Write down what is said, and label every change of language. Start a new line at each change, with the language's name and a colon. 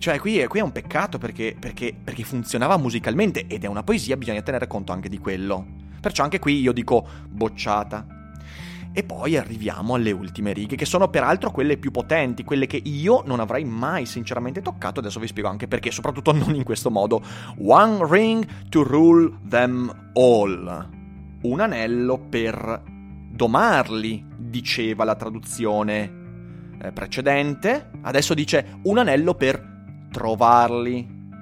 Italian: Cioè, qui è un peccato perché funzionava musicalmente ed è una poesia, bisogna tenere conto anche di quello. Perciò anche qui io dico bocciata. E poi arriviamo alle ultime righe, che sono peraltro quelle più potenti, quelle che io non avrei mai sinceramente toccato. Adesso vi spiego anche perché, soprattutto non in questo modo.
English: One ring to rule them all.
Italian: Un anello per domarli, diceva la traduzione precedente. Adesso dice un anello per trovarli.